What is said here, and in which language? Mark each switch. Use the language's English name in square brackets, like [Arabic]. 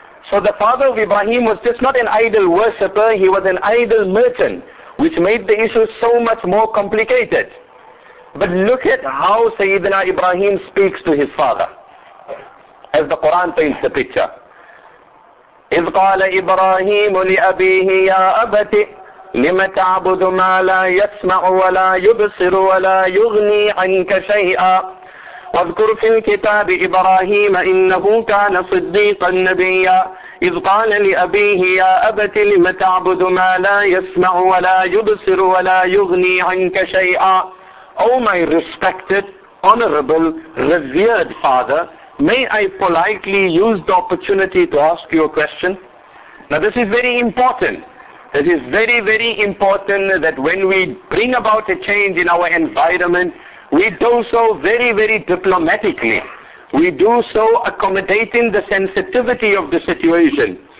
[English] So the father of Ibrahim was just not an idol worshipper, he was an idol merchant, which made the issue so much more complicated. But look at how Sayyidina Ibrahim speaks to his father, as the Quran paints the picture. [Arabic] إِذْ قَالَ إِبْرَاهِيمُ لِأَبِيهِ يَا أَبَتِ لِمَ تَعْبُدُ مَا لَا يَسْمَعُ وَلَا يُبْصِرُ وَلَا يُغْنِي عَنْكَ شَيْئًا وَاذْكُرْ فِي الْكِتَابِ إِبْرَاهِيمَ إِنَّهُ كَانَ صِدِّيقًا نَبِيًّا إِذْ قَالَ لِأَبِيهِ يَا أَبَتِ لِمَ تَعْبُدُ مَا لَا يَسْمَعُ وَلَا يُبْصِرُ وَلَا يُغْنِي عَنْكَ شَيْئًا Oh, my respected, honorable, revered father, may I politely use the opportunity to ask you a question? [English] Now, this is very important. This is very, very important that when we bring about a change in our environment, we do so very, very diplomatically. We do so accommodating the sensitivity of the situation.